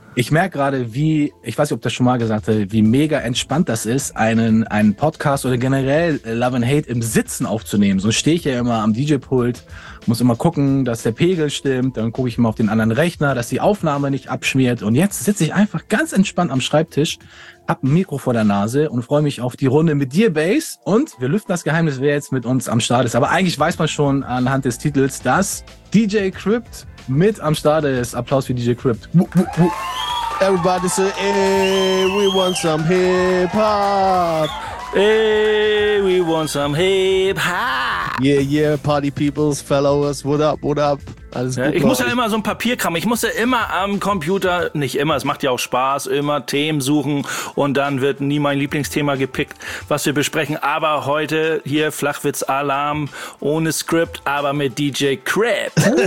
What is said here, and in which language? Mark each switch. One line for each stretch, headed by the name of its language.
German: Ich merke gerade, wie, ich weiß nicht, ob das schon mal gesagt hat, wie mega entspannt das ist, einen Podcast oder generell Love and Hate im Sitzen aufzunehmen. So stehe ich ja immer am DJ-Pult, muss immer gucken, dass der Pegel stimmt, dann gucke ich immer auf den anderen Rechner, dass die Aufnahme nicht abschmiert. Und jetzt sitze ich einfach ganz entspannt am Schreibtisch, hab ein Mikro vor der Nase und freue mich auf die Runde mit dir, Bass. Und wir lüften das Geheimnis, wer jetzt mit uns am Start ist. Aber eigentlich weiß man schon anhand des Titels, dass DJ Crypt mit am Start ist. Applaus für DJ Crypt.
English: Everybody say, hey, we want some hip-hop. Hey, we want some hip-hop. Yeah, yeah, party peoples, followers, what up?
German: Alles gut. Ich muss ja immer so ein Papierkram. Ich muss ja immer am Computer, nicht immer, es macht ja auch Spaß, immer Themen suchen und dann wird nie mein Lieblingsthema gepickt, was wir besprechen. Aber heute hier Flachwitz-Alarm ohne Skript, aber mit DJ Crypt.